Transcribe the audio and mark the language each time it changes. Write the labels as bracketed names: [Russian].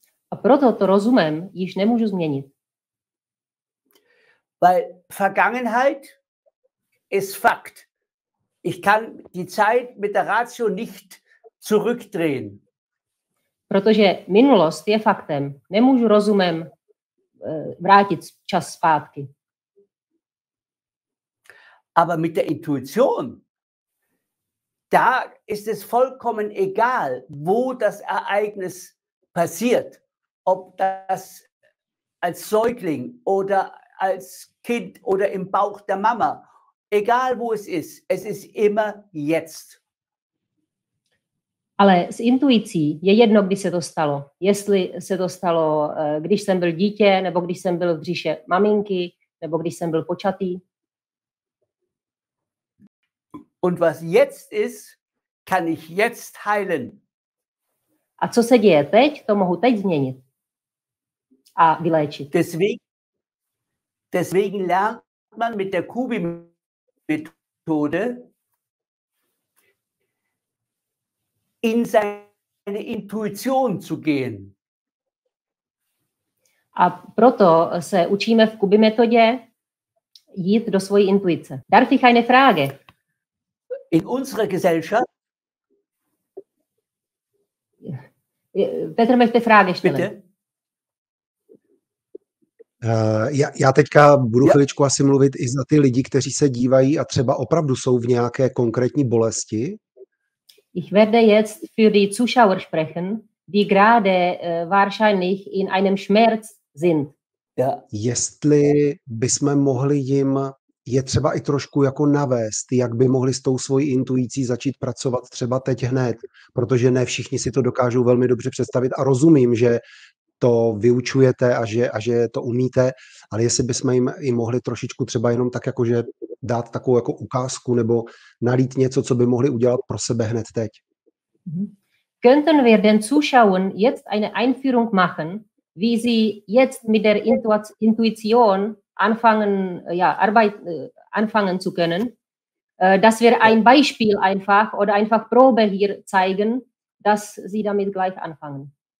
[Czech] A proto to rozumem již nemůžu změnit. [German] Weil Vergangenheit ist Fakt. Ich kann die Zeit mit der Ratio nicht zurückdrehen. [Czech] Protože minulost je faktem. Nemůžu rozumem vrátit čas zpátky. [German] Aber mit der Intuition, da ist es vollkommen egal, wo das Ereignis passiert. Ob das als Säugling oder als Kind oder im Bauch der Mama. Egal wo es ist immer jetzt. [Czech] Ale s intuicí je jedno, kdy se to stalo. Jestli se to stalo, když jsem byl dítě, nebo když jsem byl v břiše maminky, nebo když jsem byl počatý. [German] Und was jetzt ist, kann ich jetzt heilen. [Czech] A co se děje teď, to mohu teď změnit a vyléčit. [German] Deswegen lernt man mit der Kubi-Methode in seine Intuition zu gehen. [Czech] A proto se učíme v Kuby metodě jít do svojí intuice. [German] Darf ich eine Frage? In unserer Gesellschaft? Petr möchte Frage stellen. Bitte? [Czech] Já teďka budu chviličku asi mluvit i za ty lidi, kteří se dívají a třeba opravdu jsou v nějaké konkrétní bolesti. [German] Ich werde jetzt für die Zuschauer sprechen, die gerade wahrscheinlich in einem Schmerz sind. Ja. [Czech] Jestli bychom mohli jim je třeba i trošku jako navést, jak by mohli s tou svojí intuicí začít pracovat třeba teď hned, protože ne všichni si to dokážou velmi dobře představit a rozumím, že to vyučujete a že to umíte, ale jestli bychom jim i mohli trošičku třeba jenom tak jakože dát takovou jako ukázku nebo nalít něco, co by mohli udělat pro sebe hned teď. [German] Könnten wir den Zuschauern jetzt eine Einführung machen, wie sie jetzt mit der Intuition anfangen zu können, dass wir ein Beispiel einfach oder einfach Probe hier zeigen, dass sie damit gleich anfangen.